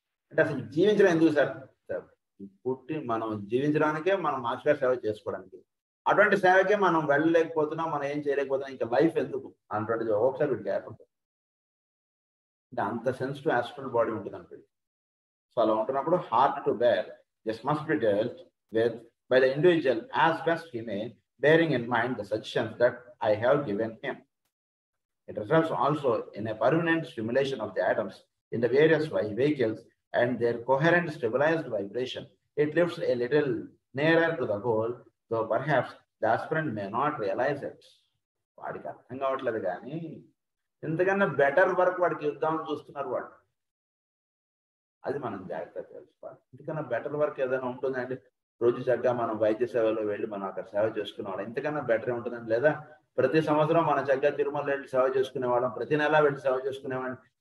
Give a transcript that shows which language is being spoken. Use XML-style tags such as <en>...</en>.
<te>అంటే అసలు జీవించడం ఎందుకు సార్, పుట్టి మనం జీవించడానికే, మనం మాస్టర్ సేవ చేసుకోవడానికి, అటువంటి సేవకే మనం వెళ్ళలేకపోతున్నాం, మనం ఏం చేయలేకపోతున్నాం, ఇంకా లైఫ్ ఎందుకు అన్నటువంటిది ఒకసారి వీడికి ఏర్పడుతుంది. అంటే అంత సెన్సిటివ్ ఆస్ట్రల్ బాడీ ఉంటుంది అనుకోండి. సో అలా ఉంటున్నప్పుడు</te> <en>Hard to bear this must be dealt with by the individual as best he may, bearing in mind the suggestions that I have given him. It results also in a permanent stimulation of the atoms in the various vehicles and their coherent stabilized vibration. It lifts a little nearer to the goal, though perhaps the aspirant may not realize it.</en> <te>వాడికి అర్థం కావట్లేదు కానీ ఇంతకన్నా better work వాడికి ఇద్దామని చూస్తున్నారు వాడు. అది మనం జాగ్రత్తగా తెలుసుకోవాలి. ఇంతకన్నా బెటర్ వర్క్ ఏదైనా ఉంటుందండి? రోజు చక్కగా మనం వైద్య సేవలో వెళ్ళి మనం అక్కడ సేవ చేసుకునేవాళ్ళం. ఇంతకన్నా బెటర్ ఉంటుందండి? లేదా ప్రతి సంవత్సరం మనం చక్కగా తిరుమల వెళ్ళి సేవ చేసుకునేవాళ్ళం, ప్రతి నెలా వెళ్ళి సేవ చేసుకునేవాళ్ళం.</te>